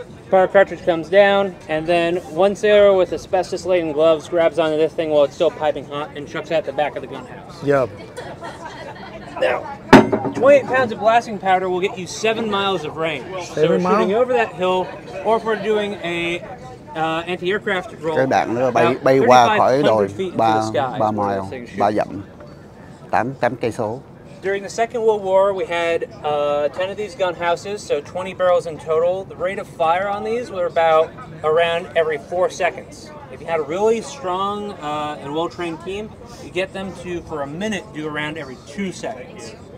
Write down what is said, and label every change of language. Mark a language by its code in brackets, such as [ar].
[en] Power cartridge comes down, and then one sailor with asbestos-laden gloves grabs onto this thing while it's still piping hot and chucks it at the back of the gun house. Yep. Now, 28 pounds of blasting powder will get you 7 miles of range. Seven so we're mile? Shooting over that hill, or if we're doing a anti-aircraft roll. [vi] Cái đạn nó bay bay qua khỏi đồi ba mile ba dặm tám cây số. [en] During the Second World War, we had 10 of these gun houses, so 20 barrels in total. The rate of fire on these were about around every 4 seconds. If you had a really strong and well-trained team, you get them to, for a minute, do around every 2 seconds.